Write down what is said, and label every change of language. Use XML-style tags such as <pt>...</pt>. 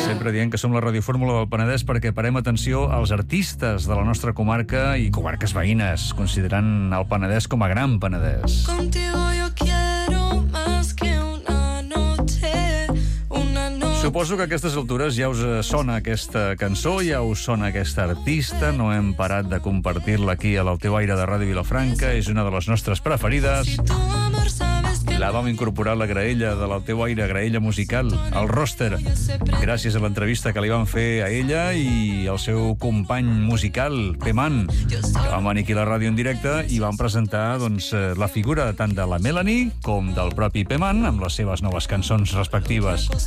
<ca>Sempre dient que som la radiofórmula del Penedès perquè parem atenció als artistes de la nostra comarca i comarques veïnes, considerant el Penedès com a gran Penedès.</ca> <es>Contigo yo quiero más que una noche, una noche.</es> <ca>Suposo que a aquestes altures ja us sona aquesta cançó, ja us sona aquesta artista, no hem parat de compartir-la aquí a l'El teu aire de Ràdio Vilafranca, és una de les nostres preferides. La vam incorporar a la graella de la teu aire, graella musical, al roster, gràcies a l'entrevista que li vam fer a ella i al seu company musical, Peman, que vam venir aquí a la ràdio en directe i vam presentar doncs, la figura tant de la Melanie com del propi Peman amb les seves noves cançons respectives.</ca>